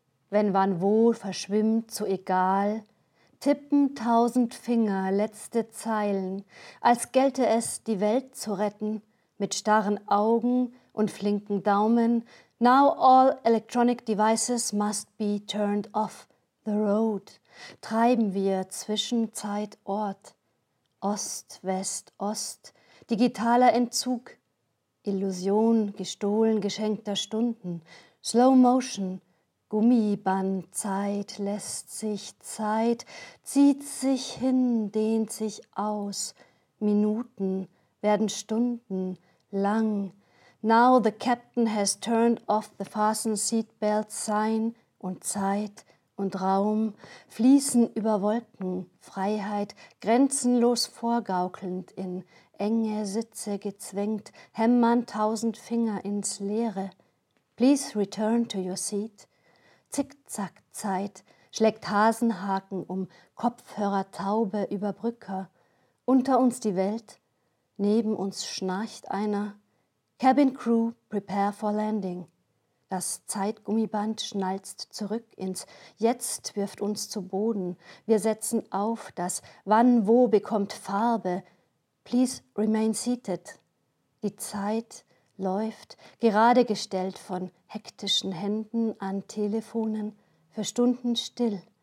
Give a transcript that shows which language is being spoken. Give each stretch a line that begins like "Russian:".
German: Wenn wann wo verschwimmt, so egal. Tippen tausend Finger letzte Zeilen, als gelte es, die Welt zu retten, mit starren Augen und flinken Daumen.
English: Now all electronic devices must be turned off the road.
German: Treiben wir zwischen Zeit, Ort. Ost, West, Ost, digitaler Entzug. Illusion, gestohlen, geschenkter Stunden. Slow Motion, Gummiband, Zeit, lässt sich Zeit, zieht sich hin, dehnt sich aus. Minuten werden Stunden, lang.
English: Now the captain has turned off the fasten seatbelt sign
German: und Zeit und Raum fließen über Wolken, Freiheit grenzenlos vorgaukelnd in enge Sitze gezwängt, hämmern tausend Finger ins Leere.
English: Please return to your seat.
German: Zickzack Zeit schlägt Hasenhaken um Kopfhörer taube über Brücke. Unter uns die Welt, neben uns schnarcht einer.
English: Cabin Crew, prepare for landing.
German: Das Zeitgummiband schnalzt zurück ins Jetzt, wirft uns zu Boden. Wir setzen auf, das Wann, Wo bekommt Farbe.
English: Please remain seated.
German: Die Zeit läuft, geradegestellt von hektischen Händen an Telefonen, für Stunden still.